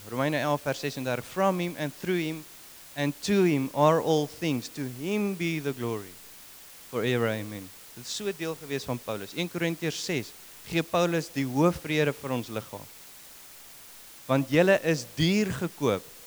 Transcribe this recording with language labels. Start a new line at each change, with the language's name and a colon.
Afrikaans: Romeine 11 vers 36,
English: from him and through him and to him are all things. To him be the glory forever. Amen.
Afrikaans: Dit is so 'n deel gewees van Paulus. 1 Korintiërs 6 gee Paulus die hoofrede vir ons liggaam. Want julle is duur gekoop.